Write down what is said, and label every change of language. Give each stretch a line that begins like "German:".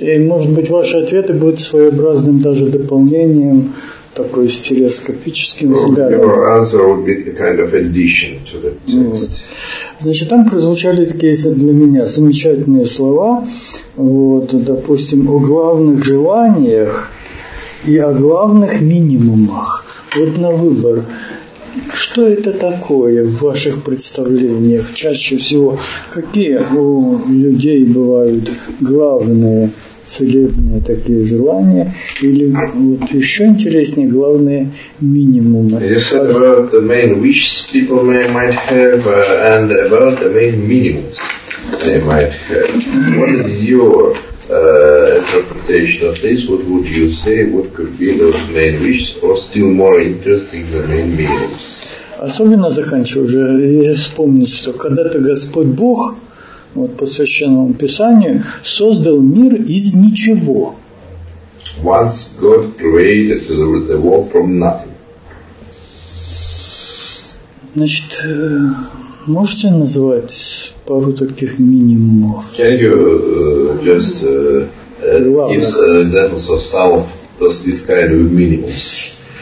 Russian: И, может быть, ваши ответы будут своеобразным даже дополнением, такой стереоскопическим взглядом.
English: Your answer would be a kind of addition to the text.
Russian: Значит, там прозвучали такие для меня замечательные слова, вот, допустим, о главных желаниях и о главных минимумах. Вот на выбор. Что это такое в ваших представлениях? Чаще всего, какие у людей бывают главные целебные такие желания или вот еще интереснее главные минимумы?
English: You said about the main wishes people might have and about the main minimums they might have. What is your interpretation of this? What would you say? What could be those main wishes or still more interesting the main minimums?
Russian: Особенно заканчиваю уже вспомнить, что когда-то Господь Бог вот по Священному Писанию создал мир из ничего.
English: Once God created the world from nothing.
Russian: Значит, можете назвать пару таких минимумов?
English: Can you just give examples of some of those kind of minimums?